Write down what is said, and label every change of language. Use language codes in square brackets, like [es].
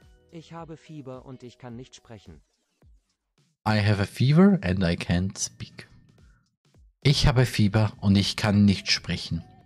[de] Ich habe Fieber und ich kann nicht sprechen. [en] I have a fever and I can't speak. [de] Ich habe Fieber und ich kann nicht sprechen.